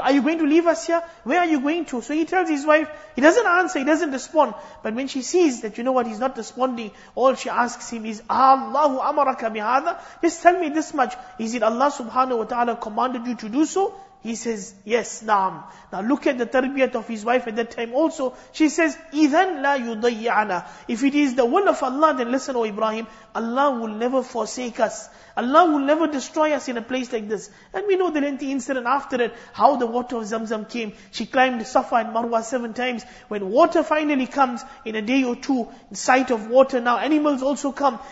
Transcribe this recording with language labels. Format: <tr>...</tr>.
<en>Are you going to leave us here? Where are you going to? So he tells his wife, he doesn't answer, he doesn't respond. But when she sees that, you know what, he's not responding, all she asks him is,</en> <ar>Allahu amaraka bihada?</ar> <en>Just tell me this much, is it Allah subhanahu wa ta'ala commanded you to do so? He says, yes, naam. Now look at the tarbiyat of his wife at that time also.</en> <ar>She says, إِذَنْ لَا يُضَيِّعَنَا.</ar> <en>If it is the will of Allah, then listen, O Ibrahim, Allah will never forsake us. Allah will never destroy us in a place like this. And we know the lengthy incident after it, how the water of Zamzam came. She climbed Safa and Marwa 7 times. When water finally comes, in a day or two, in sight of water now, animals also come.</en>